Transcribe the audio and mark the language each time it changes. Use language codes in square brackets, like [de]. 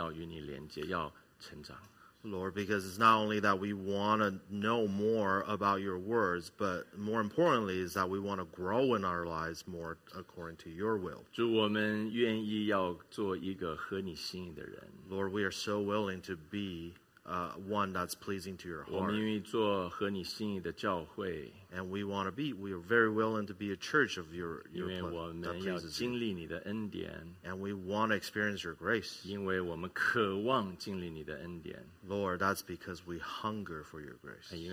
[zh] 因为主，我们是主，因为不但我们是在对你话语的认识上面，我们希望更充足。我们更重要的是，我们在我们的生命上，主，我们要更要与你连接，要成长。 [en] Lord, because it's not only that we want to know more about your words, but more importantly is that we want to grow in our lives more according to your will. [zh] 主，我们愿意要做一个合你心意的人。 [en] Lord, we are so willing to be one that's pleasing to your heart. [zh] 我们愿意做合你心意的教会。 [en] And we are very willing to be a church of your that pleases you. [zh] 因为我们要经历你的恩典。 [en] And we want to experience your grace. [zh] 因为我们渴望经历你的恩典。Lord, [en] that's because we hunger for your grace.